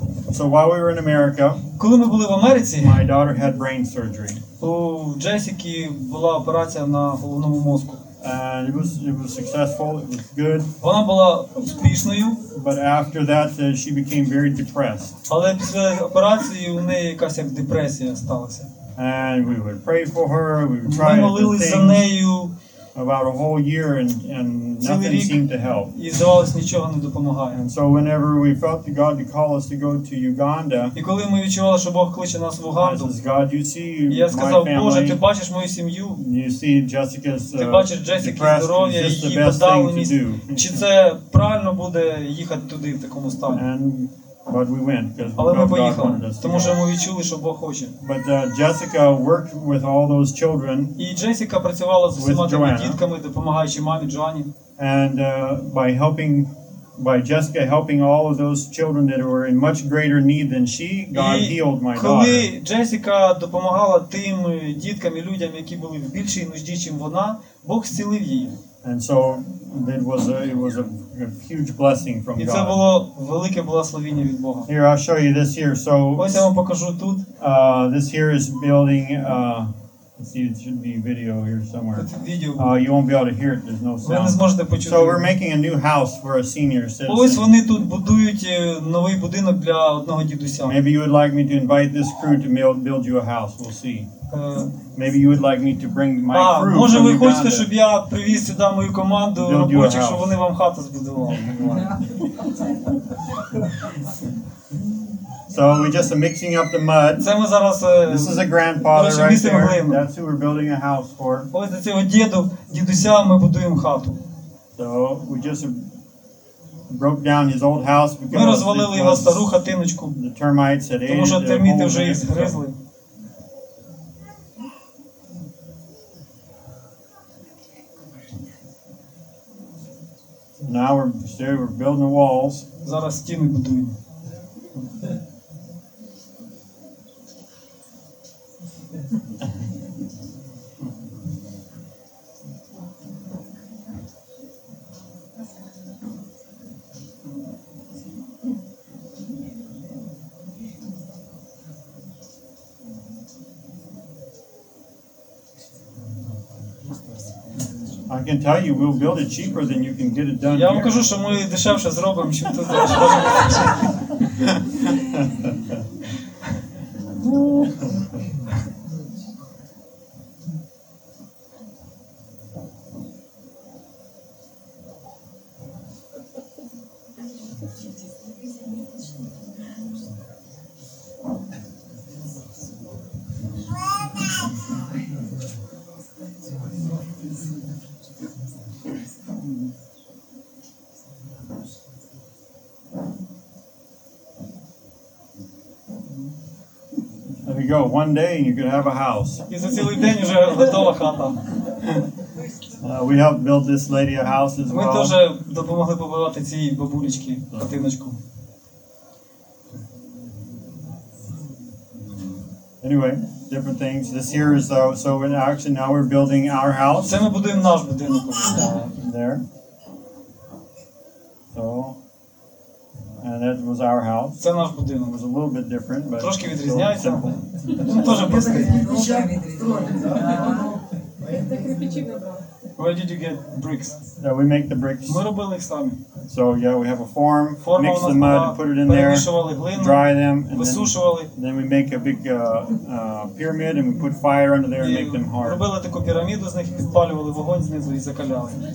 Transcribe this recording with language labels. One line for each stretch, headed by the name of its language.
English: So while we were in America,
Ukrainian: коли ми були в Америці,
English: my daughter had brain surgery.
Ukrainian: У Джесіки була операція на головному мозку.
English: And it was successful, it was good.
Ukrainian: Вона була успішною.
English: But after that she became very depressed.
Ukrainian: Але після операції у неї якась як депресія сталася.
English: And we would pray for her, we would try to pray
Ukrainian: за нею.
English: About a whole year and nothing seemed to help.
Ukrainian: І здавалось, нічого не допомагає.
English: And so whenever we felt that God to call us to go to Uganda.
Ukrainian: І коли ми відчували, що Бог кличе нас в Уганду.
English: Says, God, you see my family.
Ukrainian: Я сказав, Боже, ти бачиш мою сім'ю.
English: You see Jessica's.
Ukrainian: Ти бачиш Джесіки здоров'я, її подавленість. Чи це правильно буде їхати туди в такому стані?
English: But we went because
Ukrainian: тому що ми відчули, що Бог хоче.
English: But Jessica worked with all those children.
Ukrainian: І Джесіка працювала з усіма тими дітками, допомагаючи мамі Джоанні.
English: And by Jessica helping all of those children that were in much greater need than she, God healed my daughter.
Ukrainian: Коли Джесіка допомагала тим діткам і людям, які були в більшій нужді, ніж вона, Бог зцілив її.
English: And so it was a huge blessing from God.
Ukrainian: І це було велике благословення від Бога.
English: Here I'll show you this here. So
Ukrainian: ось я вам покажу тут.
English: This here is building. Let's see, it should be video here somewhere. Video. You won't be able to hear it. There's no sound.
Ukrainian: Ви не зможете почути.
English: So we're making a new house for a senior citizen.
Ukrainian: Ось вони тут будують новий будинок для одного дідуся.
English: Maybe you would like me to invite this crew to build you a house. We'll see. Maybe you would like me to bring my crew.
Ukrainian: Може ви хочете, щоб я привіз сюди мою команду робочих, щоб вони вам хату збудували.
English: So we're just mixing up the mud.
Ukrainian: Це ми зараз.
English: This is a grandfather right there. That's who we're building a house for.
Ukrainian: Ось для цього дідуся ми будуємо хату.
English: So we just broke down his old house because
Ukrainian: ми розвалили його стару хатиночку.
English: The termites had ate
Ukrainian: it. Тому що терміти вже їх згризли.
English: Now we're building the walls.
Ukrainian: Зараз стіни будуємо.
English: I can tell you we'll build it cheaper than you can get it done.
Ukrainian: Я вам кажу, що ми дешевше зробимо, чим тут.
English: Go one day and you can have a house.
Ukrainian: За цілий день вже готова хата.
English: We helped build this lady a house as well.
Ukrainian: Ми теж допомогли побудувати цій бабулечці хатиночку.
English: Anyway, different things. This here is so in action. Now we're building our house.
Ukrainian: Це ми будуємо наш будинок.
English: There. So. And that was our house.
Ukrainian: Це наш будинок.
English: It was a little bit different, but
Ukrainian: трошки відрізняється. Тоже просто.
English: Where did you get bricks? Yeah, we make the bricks.
Ukrainian: Ми робили їх самі.
English: So yeah, we have a form. Mix the mud, put it in there.
Ukrainian: Перемішували глину.
English: Dry them.
Ukrainian: Висушували.
English: Then we make a big pyramid and we put fire under there and make them hard.
Ukrainian: Робили таку піраміду з них, підпалювали вогонь знизу і закаляли.